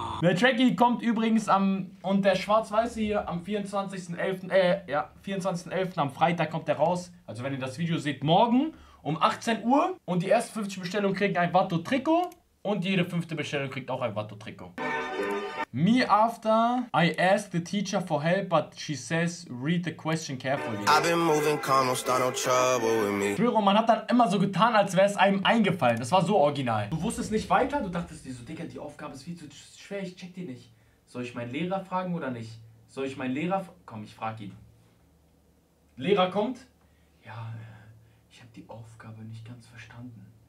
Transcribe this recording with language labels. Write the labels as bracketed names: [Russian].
[German] Der Tracky kommt übrigens am, und der Schwarz-Weiße hier am 24.11., ja, 24.11. am Freitag kommt der raus. Also wenn ihr das Video seht, morgen um 18 Uhr. Und die ersten 50 Bestellungen kriegen ein Watto-Trikot. Und jede fünfte Bestellung kriegt auch ein Watto-Trikot. [English] Me after I asked the teacher for help, but she says read the question carefully. I've been moving calm, don't start no trouble with me. [German] Spüro, man hat dann immer so getan, als wäre es einem eingefallen. Das war so original. Du wusstest nicht weiter, du dachtest dir so, Digga, die Aufgabe ist viel zu schwer, ich check die nicht. Soll ich meinen Lehrer fragen oder nicht? Soll ich meinen Lehrer... Komm, ich frag ihn. Lehrer kommt. Ja, ich habe die Aufgabe nicht ganz verstanden.